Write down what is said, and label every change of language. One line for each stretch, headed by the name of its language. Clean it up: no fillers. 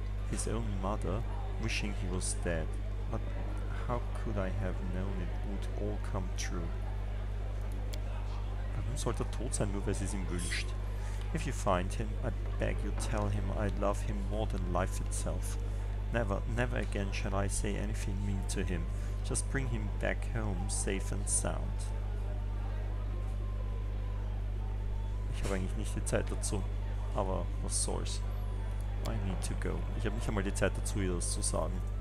English: His own mother, wishing he was dead. But how could I have known it would all come true?
German: Sollte tot sein, nur weil sie es ihm wünscht.
English: If you find him, I beg you, tell him I love him more than life itself. Never again shall I say anything mean to him. Just bring him back home, safe and sound.
German: Ich habe eigentlich nicht die Zeit dazu, aber was soll's.
English: I need to go.
German: Ich habe nicht einmal die Zeit dazu, ihr das zu sagen.